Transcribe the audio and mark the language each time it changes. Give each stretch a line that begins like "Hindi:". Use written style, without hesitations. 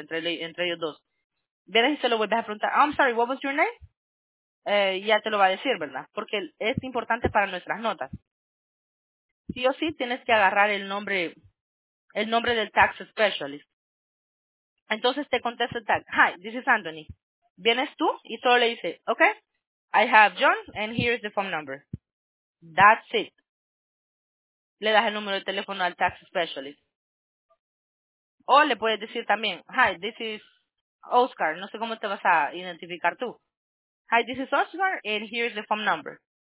Spanish: Entre ellos dos. Vienes y se lo vuelves a preguntar,
English: oh, I'm sorry, what was your name?
Spanish: Ya te lo va a decir, ¿verdad? Porque es importante para nuestras notas. Sí o sí tienes que agarrar el nombre del tax specialist. Entonces te contesta el tag,
English: hi, this is Anthony.
Spanish: Vienes tú y solo le dice,
English: okay, I have John and here is the phone number. That's it.
Spanish: Le das el número de teléfono al tax specialist. O le puedes decir también,
English: hi, this is Oscar.
Spanish: No sé cómo te vas a identificar tú.
English: Hi, this is Oscar, and here's the phone number.